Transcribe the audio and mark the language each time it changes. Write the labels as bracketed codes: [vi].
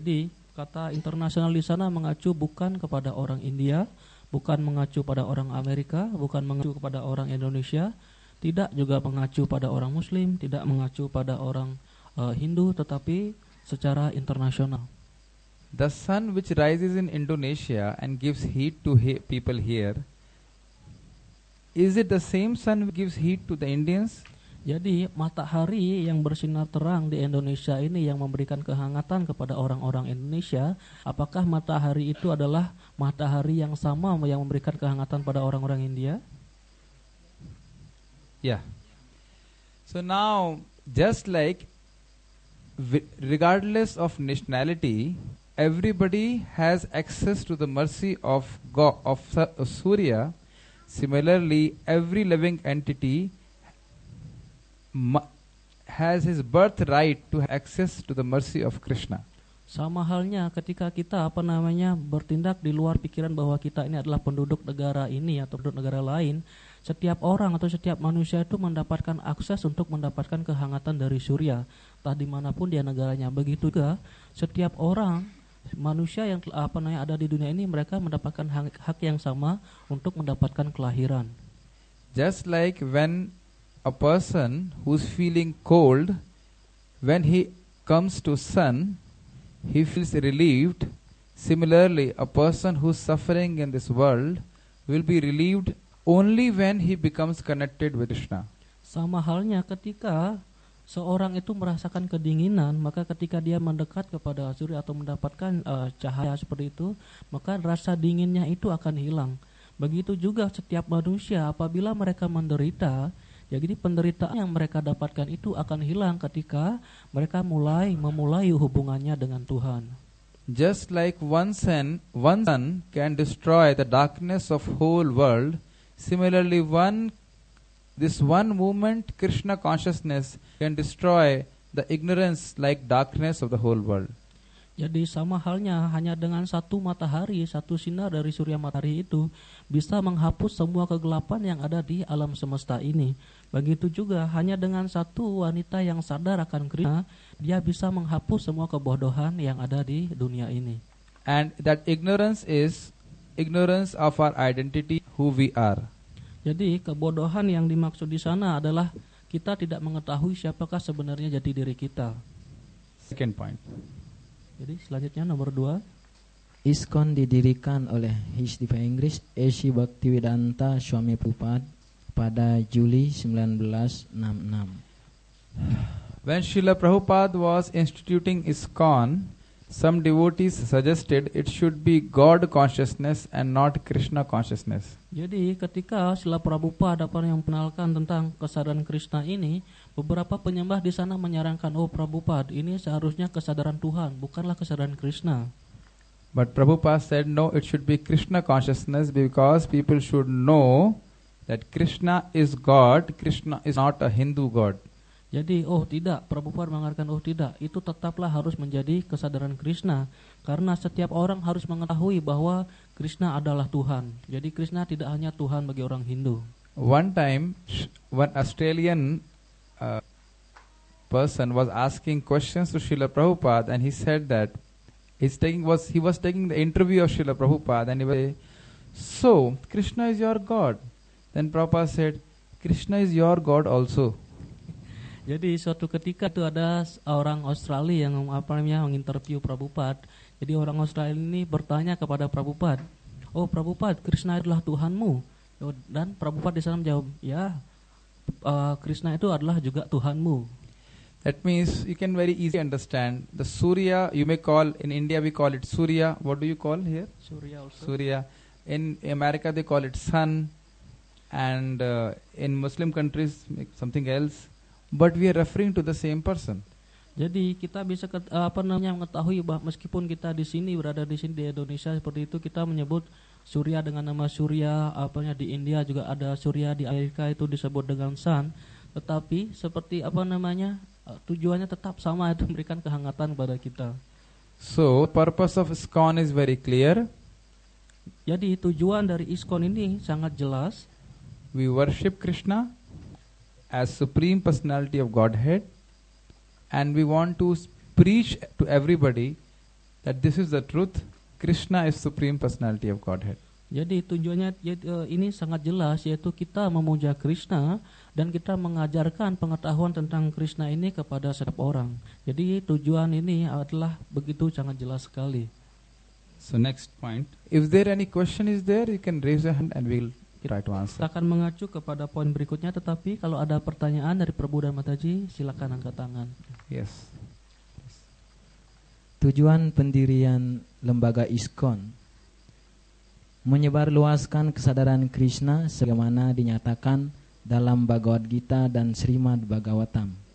[id] Jadi kata internasional di sana mengacu bukan kepada orang India, bukan mengacu pada orang Amerika, bukan mengacu kepada orang Indonesia, tidak juga mengacu pada orang Muslim, tidak mengacu pada orang Hindu, tetapi secara internasional. [en] The sun which rises in Indonesia and gives heat to people here, is it the same sun which gives heat to the Indians? [id] Jadi matahari yang bersinar terang di Indonesia ini yang memberikan kehangatan kepada orang-orang Indonesia, apakah matahari itu adalah matahari yang sama yang memberikan kehangatan pada orang-orang India? [en] Yeah. So now, just like regardless of nationality, everybody has access to the mercy of God, of Surya. Similarly, every living entity has his birthright to access to the mercy of Krishna. [id] Sama halnya ketika kita apa namanya bertindak di luar pikiran bahwa kita ini adalah penduduk negara ini atau penduduk negara lain, setiap orang atau setiap manusia itu mendapatkan akses untuk mendapatkan kehangatan dari Surya, entah dimanapun dia negaranya. Begitu juga setiap orang manusia yang apa namanya ada di dunia ini, mereka mendapatkan hak yang sama untuk mendapatkan kelahiran. [en] Just like when a person who's feeling cold, when he comes to sun, he feels relieved. Similarly, a person who's suffering in this world will be relieved only when he becomes connected with Krishna. [id] Sama halnya ketika seorang itu merasakan kedinginan, maka ketika dia mendekat kepada Surya atau mendapatkan cahaya seperti itu, maka rasa dinginnya itu akan hilang. Begitu juga setiap manusia apabila mereka menderita, jadi penderitaan yang mereka dapatkan itu akan hilang ketika mereka memulai hubungannya dengan Tuhan. [en] Just like one sun can destroy the darkness of whole world, similarly this one moment Krishna consciousness can destroy the ignorance like darkness of the whole world. [id] Jadi sama halnya hanya dengan satu matahari, satu sinar dari Surya Matahari itu bisa menghapus semua kegelapan yang ada di alam semesta ini. Begitu juga hanya dengan satu wanita yang sadar akan Krishna, dia bisa menghapus semua kebodohan yang ada di dunia ini. [en] And that ignorance is ignorance of our identity, who we are. [id] Jadi kebodohan yang dimaksud di sana adalah kita tidak mengetahui siapakah sebenarnya jati diri kita. [en] Second point. [id] Jadi selanjutnya nomor 2. ISKCON didirikan oleh His Divine Grace A.C. Bhaktivedanta Swami Prabhupada pada Juli 1966. [en] When Srila Prabhupada was instituting ISKCON, some devotees suggested it should be God consciousness and not Krishna consciousness. [id] Jadi ketika Srila Prabhupada apa yang mengenalkan tentang kesadaran Krishna ini, beberapa penyembah di sana menyarankan, oh Prabhupada, ini seharusnya kesadaran Tuhan, bukanlah kesadaran Krishna. [en] But Prabhupada said no, it should be Krishna consciousness because people should know that Krishna is God, Krishna is not a Hindu God. [id] Jadi, oh tidak, Prabhupada mengatakan, oh tidak, itu tetaplah harus menjadi kesadaran Krishna. Karena setiap orang harus mengetahui bahwa Krishna adalah Tuhan. Jadi Krishna tidak hanya Tuhan bagi orang Hindu. [en] One time, one Australian person was asking questions to Srila Prabhupada and he said that he was taking the interview of Srila Prabhupada and he was saying, so, Krishna is your God. Then Prabhupada said, Krishna is your God also. [id] Jadi suatu ketika itu ada orang Australia yang menginterview Prabhupada. Jadi orang Australia ini bertanya kepada Prabhupada, oh Prabhupada, Krishna adalah Tuhanmu. Dan Prabhupada di sana menjawab, ya, Krishna itu adalah juga Tuhanmu. [en] That means you can very easily understand the Surya, you may call, in India we call it Surya. What do you call here? Surya also. Surya. In America they call it Sun. And in Muslim countries something else. But we are referring to the same person. [id] Jadi kita bisa mengetahui bahwa meskipun kita di sini berada di sini di Indonesia seperti itu, kita menyebut surya dengan nama surya, di India juga ada surya, di Amerika itu disebut dengan sun. Tetapi seperti tujuannya tetap sama, itu memberikan kehangatan kepada kita. [en] So purpose of ISKCON is very clear. [id] Jadi tujuan dari ISKCON ini sangat jelas. [en] We worship Krishna as supreme personality of Godhead, and we want to preach to everybody that this is the truth. Krishna is supreme personality of Godhead. [id] Jadi tujuannya ini sangat jelas, yaitu kita memuja Krishna dan kita mengajarkan pengetahuan tentang Krishna ini kepada setiap orang. Jadi tujuan ini adalah begitu sangat jelas sekali. [en] So next point, if there any question is there, you can raise your hand and we'll try to answer. [id] Kita akan mengacu kepada poin berikutnya, tetapi kalau ada pertanyaan dari Prabu dan Mataji, silakan angkat tangan. [en] Yes. [id] Tujuan pendirian lembaga ISKCON, menyebarluaskan kesadaran Krishna sebagaimana dinyatakan dalam Bhagavad Gita dan Srimad Bhagavatam,